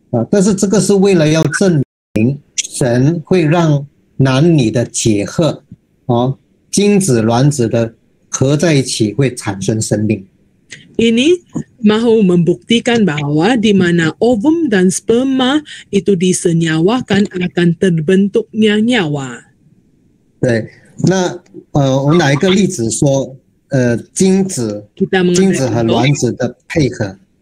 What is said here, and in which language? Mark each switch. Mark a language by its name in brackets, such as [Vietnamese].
[Chinese] 但是这个是为了要证明神会让男女的结合，精子卵子的合在一起会产生生命。 [Malay] Ini mahu membuktikan bahwa di mana ovum dan sperma itu disenyawakan akan terbentuknya nyawa. [Chinese] 对，那我拿一个例子说，精子和卵子的配合，